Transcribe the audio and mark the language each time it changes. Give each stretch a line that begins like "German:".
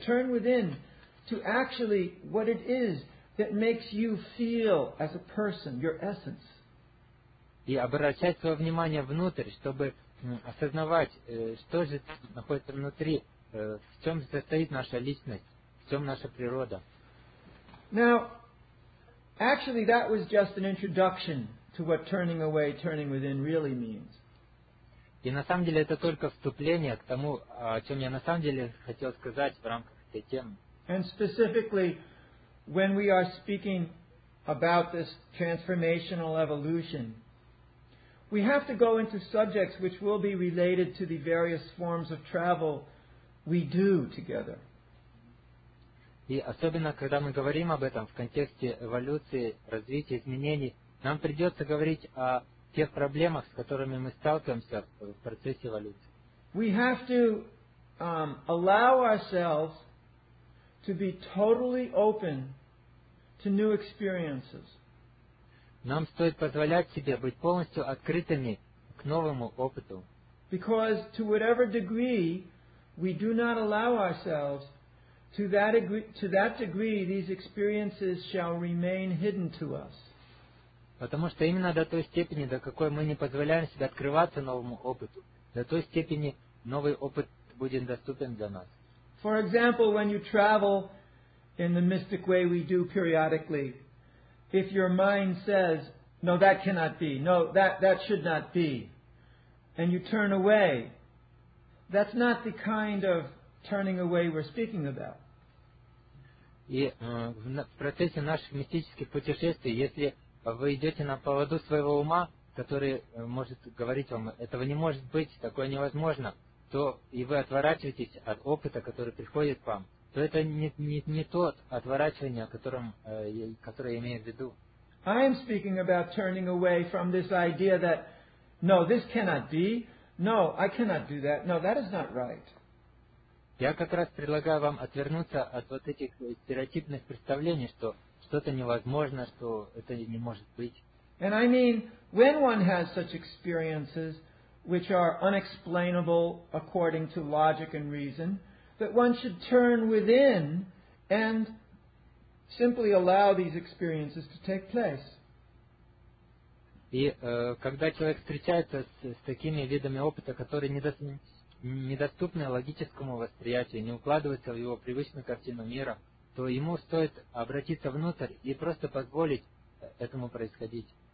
English: Turn within to actually what it is that makes you feel as a person, your essence.
Russian: И обращать свое внимание внутрь, чтобы осознавать, что же находится внутри, в чем состоит наша личность, в чем наша природа.
English: Now, actually, that was just an introduction to what turning away, turning within really means.
Russian: И на самом деле это только вступление к тому, о чем я на самом деле хотел сказать в рамках этой темы.
English: And specifically, when we are speaking about this transformational evolution, we have to go into subjects which will be related to the various forms of travel we do together.
Russian: И особенно, когда мы говорим об этом в контексте эволюции, развития, изменений, нам придется говорить о тех проблемах, с которыми мы сталкиваемся в процессе эволюции.
English: We have to allow ourselves to be totally open to new experiences.
Russian: Нам стоит позволять себе быть полностью открытыми к новому опыту.
English: Because to whatever degree we do not allow ourselves To that degree, these experiences shall remain hidden to us.
Russian: Потому что именно до той степени, до какой мы не позволяем себе открываться новому опыту, до той степени новый опыт будет доступен для нас.
English: For example, when you travel in the mystic way we do periodically, if your mind says, no, that cannot be, no, that should not be, and you turn away, that's not the kind of turning away we're speaking about.
Russian: И в процессе наших мистических путешествий, если вы идете на поводу своего ума, который может говорить вам, этого не может быть, такое невозможно, то и вы отворачиваетесь от опыта, который приходит к вам, то это не тот отворачивание, которое я имею в виду.
English: I am speaking about turning away from this idea that, no, this cannot be, no, I cannot do that, no, that is not right.
Russian: Я как раз предлагаю вам отвернуться от вот этих стереотипных представлений, что что-то невозможно, что это не может быть.
English: And I mean, when one has such experiences, which are unexplainable according to logic and reason, that one should turn within and simply allow these experiences to take place.
Russian: И когда человек встречается с такими видами опыта, которые недоступны логическому восприятию, не укладываются в его привычную картину мира, то ему стоит обратиться внутрь и просто позволить этому происходить.